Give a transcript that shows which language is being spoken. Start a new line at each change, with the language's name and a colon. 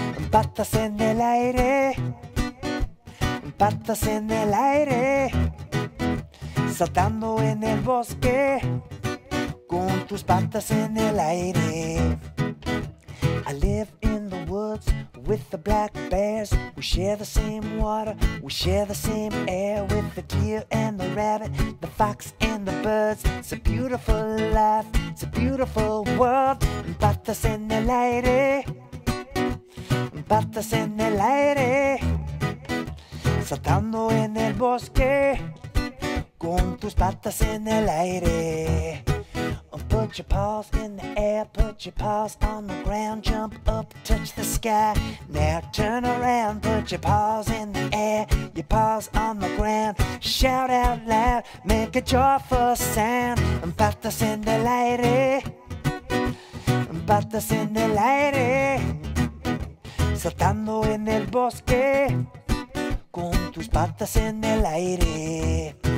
Spanish: Patas en el aire, patas en el aire, saltando en el bosque, con tus patas en el aire.
English: I live in the woods with the black bears. We share the same water, we share the same air with the deer and the rabbit, the fox and the birds. It's a beautiful life, it's a beautiful world.
Spanish: Patas en el aire, patas en el aire, saltando en el bosque, con tus patas en el aire.
English: Put your paws in the air, put your paws on the ground, jump up, touch the sky. Now turn around, put your paws in the air, your paws on the ground. Shout out loud, make a joyful sound.
Spanish: Patas en el aire, patas en el aire, saltando en el bosque, con tus patas en el aire.